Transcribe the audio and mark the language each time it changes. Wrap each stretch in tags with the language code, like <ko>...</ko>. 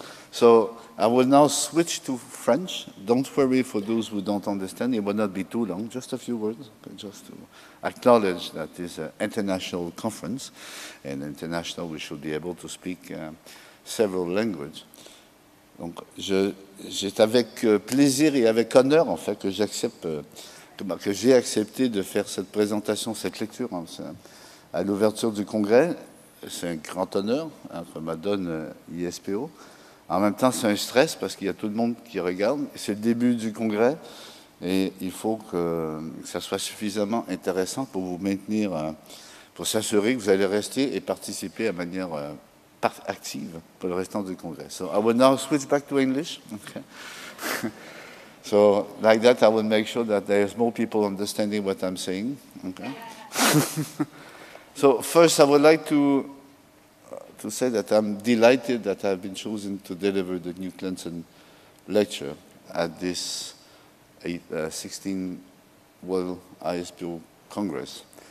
<en>So I will now switch to French. Don't worry for those who don't understand. It will not be too long, just a few words, okay, just to acknowledge that this is an international conference, and international we should be able to speak several languages.</en> <fr>Donc, c'est avec plaisir et avec honneur, en fait, que j'ai accepté de faire cette présentation, cette lecture, hein, à l'ouverture du congrès. C'est un grand honneur, hein, que me donne ISPO. En même temps, c'est un stress parce qu'il y a tout le monde qui regarde. C'est le début du congrès et il faut que ça soit suffisamment intéressant pour vous maintenir, pour s'assurer que vous allez rester et participer à manière active pour le restant du congrès.</fr> <en>So I will now switch back to English. Okay. So like that, I will make sure that there's more people understanding what I'm saying. Okay. So first, I would like to say that I'm delighted that I've been chosen to deliver the Knud Jensen lecture at this 16th World ISPO Congress,</en>